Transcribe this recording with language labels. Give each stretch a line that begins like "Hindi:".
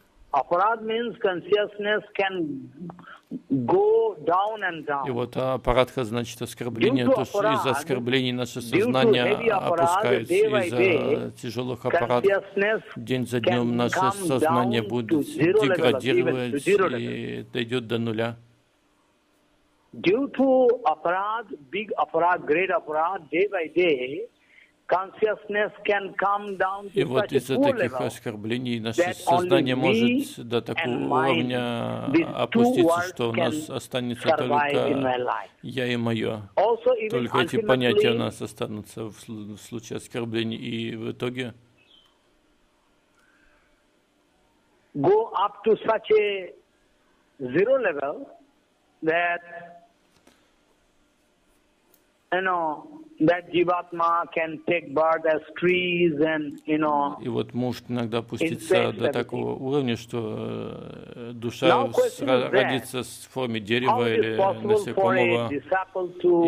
English: Аппарат means consciousness can go down and down.
Russian: И вот аппаратха значит оскорбление, то есть из-за оскорблений наше сознание опускается, из-за тяжелых аппаратов. День за днем наше сознание будет деградировать и дойдет до нуля.
English: Due to аппарат, big аппарат, great аппарат, day by day, consciousness can come down to
Russian: и вот из-за таких оскорблений наше сознание может до такого уровня опуститься, что у нас останется только я и мое.
English: Also,
Russian: только эти понятия у нас останутся в случае оскорблений. И в итоге
English: go up to such a zero level that, you know, that jivatma can take birth as trees and, you know,
Russian: и вот может иногда опуститься до такого уровня, что душа родится в форме дерева или насекомого.